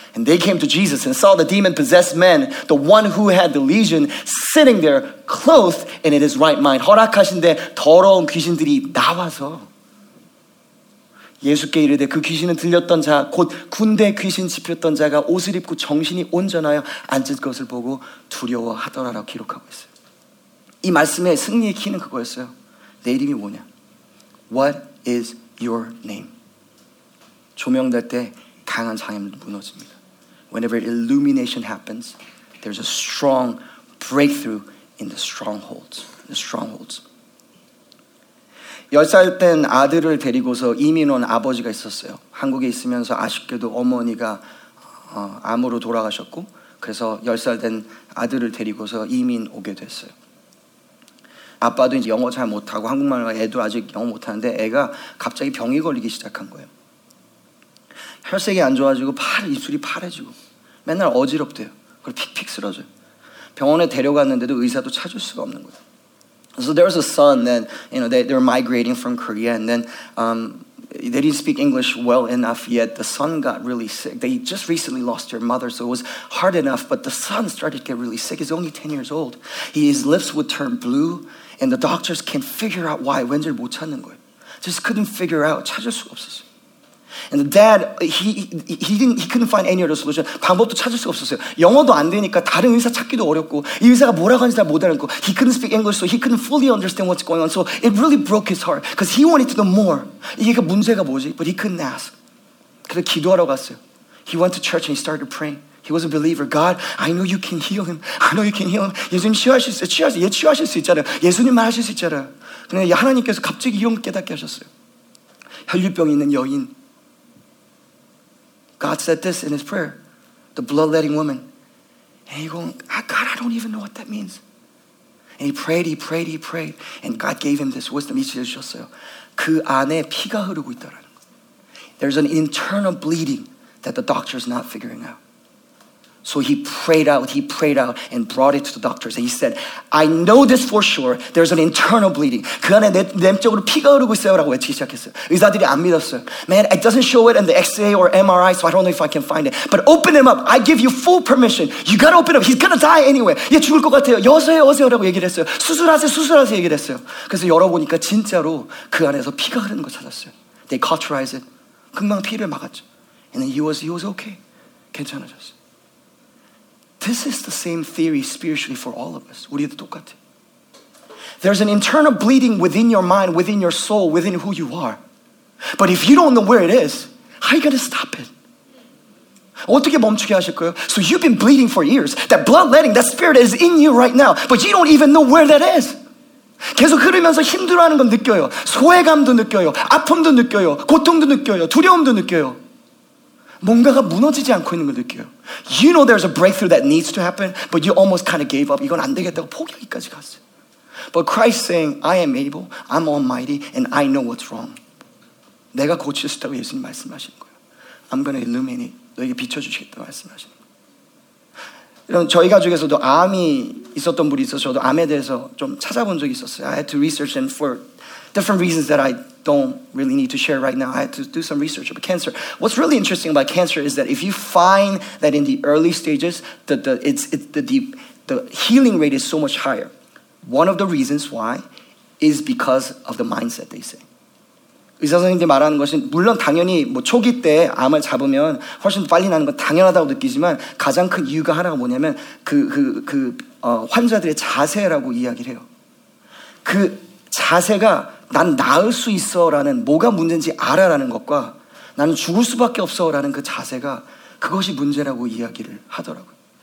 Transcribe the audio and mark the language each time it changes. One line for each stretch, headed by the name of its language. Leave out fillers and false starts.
English: And they came to Jesus and saw the demon-possessed man, the one who had the legion, sitting there, clothed and in his right mind.
Korean: 허락하신데 더러운 귀신들이 나와서 예수께 이르되 그 귀신은 들렸던 자, 곧 군대 귀신 집혔던 자가 옷을 입고 정신이 온전하여 앉은 것을 보고 두려워하더라라고 기록하고 있어요. 이 말씀의 승리의 키는 그거였어요. 내 이름이 뭐냐?
English: What is your name?
Korean: 조명될 때 강한 장애물도 무너집니다.
English: Whenever illumination happens, there's a strong breakthrough in the strongholds. The strongholds.
Korean: 10살 땐 아들을 데리고서 이민 온 아버지가 있었어요. 한국에 있으면서 아쉽게도 어머니가 암으로 돌아가셨고 그래서 10살 된 아들을 데리고서 이민 오게 됐어요. 아빠도 이제 영어 잘 못하고 한국말로 애도 아직 영어 못하는데 애가 갑자기 병이 걸리기 시작한 거예요. 혈색이 안 좋아지고 입술이 파래지고 맨날 어지럽대요. 그리고 픽픽 쓰러져요. 병원에 데려갔는데도 의사도 찾을 수가 없는 거예요.
English: So there was a son then, you know, they're migrating from Korea and then they didn't speak English well enough yet. The son got really sick. They just recently lost their mother, so it was hard enough, but the son started to get really sick. He's only 10 years old. His lips would turn blue and the doctors can't figure out why.
Korean: 왠지 못 찾는 거예요.
English: Just couldn't figure out.
Korean: 찾을 수가 없었어요.
English: And the dad, he couldn't find any other solution.
Korean: 방법도 찾을 수가 없었어요. 영어도 안 되니까 다른 의사 찾기도 어렵고 이 의사가 뭐라고 하는지 잘 못 알았고
English: he couldn't speak English, so he couldn't fully understand what's going on. So it really broke his heart because he wanted to know more.
Korean: 이게 문제가 뭐지?
English: But he couldn't ask.
Korean: 그래서 기도하러 갔어요.
English: He went to church and he started praying. He was a believer. God, I know you can heal him. I know you can heal him.
Korean: 예수님 치유하실 수 있잖아요. 예수님만 하실 수 있잖아요. 근데 하나님께서 갑자기 이런 깨닫게 하셨어요. 혈류병이 있는 여인.
English: God said this in his prayer, the bloodletting woman. And he going, God, I don't even know what that means. And he prayed. And God gave him this wisdom.
Korean: 주셨어요. 그 안에 피가 흐르고 있다라는 거.
English: There's an internal bleeding that the doctor's not figuring out. So he prayed out and brought it to the doctors. And he said, I know this for sure. There's an internal bleeding.
Korean: 그 안에 내면적으로 피가 흐르고 있어요 라고 외치기 시작했어요. 의사들이 안 믿었어요.
English: Man, it doesn't show it in the X-ray or MRI, so I don't know if I can find it. But open him up. I give you full permission. You gotta open him. He's gonna die anyway.
Korean: 얘 죽을 것 같아요. 여세요 라고 얘기를 했어요. 수술하세요 얘기를 했어요. 그래서 열어보니까 진짜로 그 안에서 피가 흐르는 걸 찾았어요.
English: They cauterized it.
Korean: 금방 피를 막았죠.
English: And then he was okay.
Korean: 괜찮아졌어요.
English: This is the same theory spiritually for all of us.
Korean: 우리도 똑같아.
English: There's an internal bleeding within your mind, within your soul, within who you are. But if you don't know where it is, how are you going to stop it?
Korean: 어떻게 멈추게 하실 거예요?
English: So you've been bleeding for years. That bloodletting, that spirit is in you right now. But you don't even know where that is.
Korean: 계속 흐르면서 힘들어하는 건 느껴요. 소외감도 느껴요. 아픔도 느껴요. 고통도 느껴요. 두려움도 느껴요. 뭔가가 무너지지 않고 있는 걸 느껴요.
English: You know there's a breakthrough that needs to happen, but you almost kind of gave up.
Korean: 이건 안 되겠다고 포기하기까지 갔어요.
English: But Christ saying, I am able, I'm almighty, and I know what's wrong.
Korean: 내가 고칠 수 있다고 예수님 말씀하시는 거예요.
English: I'm going to illuminate,
Korean: 너에게 비춰주시겠다고 말씀하시는 거예요. 이런 저희 가족에서도 암이 있었던 분이 있어서 저도 암에 대해서 좀 찾아본 적이 있었어요.
English: I had to research them for different reasons that I don't really need to share right now. I had to do some research about cancer. What's really interesting about cancer is that if you find that in the early stages, the healing rate is so much higher. One of the reasons why is because of the mindset, they say.
Korean: 의사 선생님들이 말하는 것은 물론 당연히 뭐 초기 때 암을 잡으면 훨씬 빨리 나는 건 당연하다고 느끼지만 가장 큰 이유가 하나가 뭐냐면 환자들의 자세라고 이야기를 해요. 그 자세가 난 나을 수 있어 라는 뭐가 문제인지 알아라는 것과 나는 죽을 수밖에 없어 라는 그 자세가 그것이 문제라고 이야기를 하더라고요.